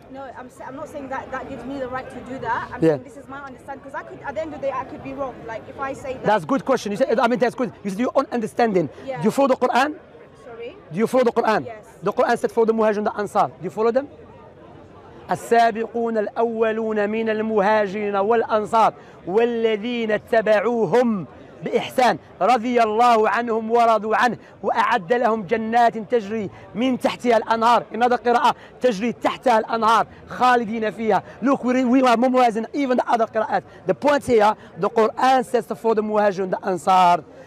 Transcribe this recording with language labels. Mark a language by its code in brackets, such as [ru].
[en] No, I'm not saying that gives me the right to do that. I'm saying this is my understanding because I could at the end of the day I could be wrong. Like if I say that. That's a good question. You said. I mean that's good. You said your own understanding. Yeah. Do you follow the Quran? Do you follow the Quran? Yes. The Quran said for the Muhajirin and the Ansar. Do you follow them? [ar] السابقون الأولون من المهاجرين والأنصار والذين تبعوهم بإحسان رضي الله عنهم ورضوا عنه وأعد لهم جنات تجري من تحتها الأنهار. [en] In other [ar] قراءة تجري تحتها الأنهار خالدين فيها. [en] Look, we are memorizing even the other قراءات. The point here, the Quran says for the Muhajirin and the Ansar.